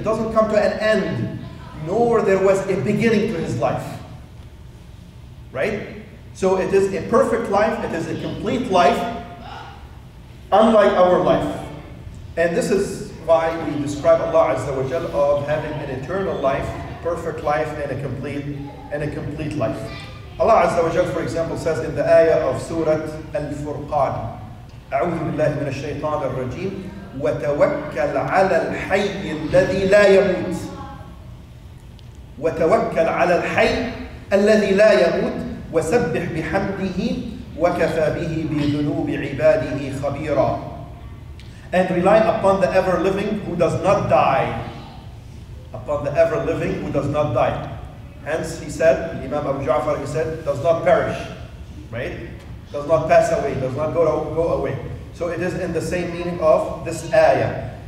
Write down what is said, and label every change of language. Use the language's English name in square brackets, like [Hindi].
[English] It doesn't come to an end, nor there was a beginning to his life. Right? So it is a perfect life, it is a complete life, unlike our life. And this is why we describe Allah Azza wa Jalla of having an eternal life, perfect life, and a complete life. Allah Azza wa Jalla, for example, says in the ayah of Surah Al-Furqan, [Arabic] أعوذ بالله من الشيطان الرجيم وتوكل على الحي الذي لا يموت وتوكل على الحي الذي لا يموت وسبح بحمده وكفى به بذنوب عباده خبيرا. [English] And rely upon the ever living who does not die. Upon the ever living who does not die. Hence he said, Imam Abu Jaafar, he said, does not perish. Right? Does not pass away, does not go away. So it is in the same meaning of this ayah.